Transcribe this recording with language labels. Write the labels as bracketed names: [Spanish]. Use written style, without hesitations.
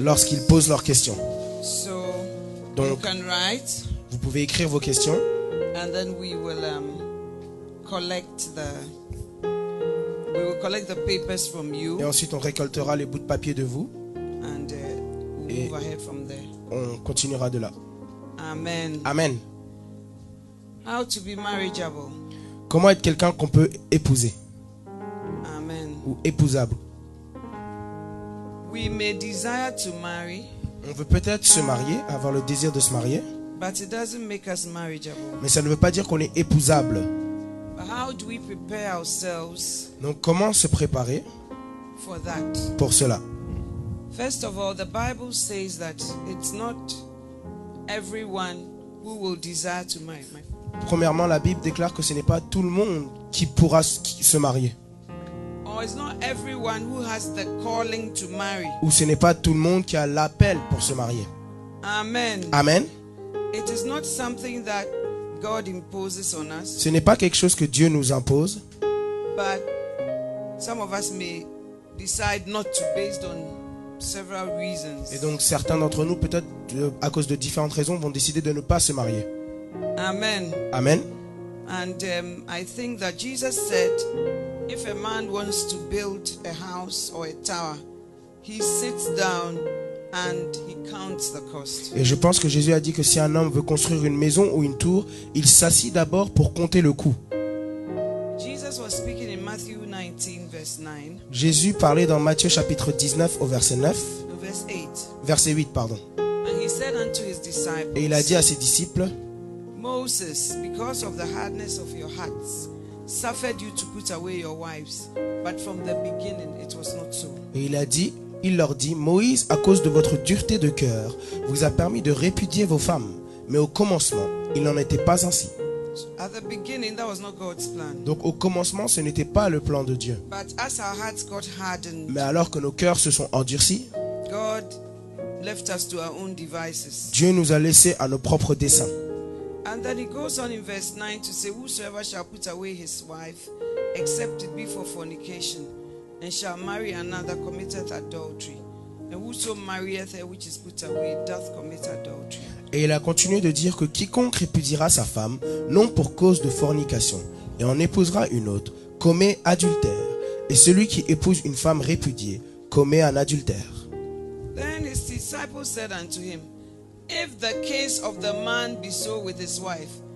[French] Lorsqu'ils posent leurs questions. [English] So, donc, you can write, [French] vous pouvez écrire vos questions. [English] And then we will collect the papers from you. [French] Et ensuite, on récoltera les bouts de papier de vous. [English] And move ahead from there. [French] On continuera de là. Amen. Amen. [English] How to be marriageable? [French] Comment être quelqu'un qu'on peut épouser? Amen. Ou épousable? [English] We may desire to marry, [French] on veut peut-être se marier, avoir le désir de se marier. [English] But it doesn't make us marriageable. [French] Mais ça ne veut pas dire qu'on est épousable. [English] But how do we prepare ourselves? [French] Donc comment se préparer [English] for that? [French] Pour cela? [English] First of all, the Bible says that it's not everyone who will desire to marry. [French] Premièrement, la Bible déclare que ce n'est pas tout le monde qui pourra se marier. [English] Or it's not everyone who has the calling to marry. [French] Ou ce n'est pas tout le monde qui a l'appel pour se marier. Amen. Amen. [English] It is not something that God imposes on us. [French] Ce n'est pas quelque chose que Dieu nous impose. [English] But some of us may decide not to based on several reasons. [French] Et donc certains d'entre nous, peut-être à cause de différentes raisons, vont décider de ne pas se marier. Amen. Amen. [English] And I think that Jesus said, if a man wants to build a house or a tower, he sits down and he counts the cost. [French] Et je pense que Jésus a dit que si un homme veut construire une maison ou une tour, il s'assied d'abord pour compter le coût. [English] Jesus was speaking in Matthew 19, verse 9. [French] Jésus parlait dans Matthieu chapitre 19 au verset 9. Verset 8. [English] And he said unto his disciples. [French] Et il a dit à ses disciples. [English] Moses, because of the hardness of your hearts, suffered you to put away your wives. But from the beginning, it was not so. [French] Et il leur dit, Moïse, à cause de votre dureté de cœur, vous a permis de répudier vos femmes. Mais au commencement, il n'en était pas ainsi. [English] At the beginning, that was not God's plan. [French] Donc au commencement, ce n'était pas le plan de Dieu. [English] But as our hearts got hardened, [French] mais alors que nos cœurs se sont endurcis, [English] God left us to our own devices. [French] Dieu nous a laissés à nos propres desseins. [English] And then he goes on in verse 9 to say, whosoever shall put away his wife, except it be for fornication, and shall marry another, committeth adultery. And whoso marrieth her which is put away, doth commit adultery. [French] Et il a continué de dire que quiconque répudiera sa femme, non pour cause de fornication, et en épousera une autre, commet adultère. Et celui qui épouse une femme répudiée, commet un adultère. [English] Then his disciples said unto him, if the case of the man be so with his wife,